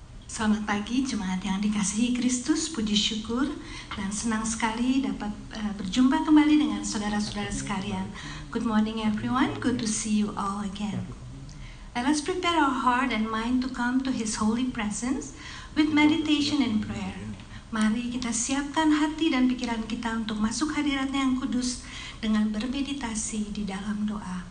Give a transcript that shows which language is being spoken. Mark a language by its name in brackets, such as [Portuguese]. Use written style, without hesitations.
[Indonesian] Selamat pagi jemaat yang dikasihi Kristus, puji syukur dan senang sekali dapat berjumpa kembali dengan saudara-saudara sekalian. [English] Good morning everyone, good to see you all again. Let us prepare our heart and mind to come to His holy presence with meditation and prayer. [Indonesian] Mari kita siapkan hati dan pikiran kita untuk masuk hadirat-Nya yang kudus dengan bermeditasi di dalam doa.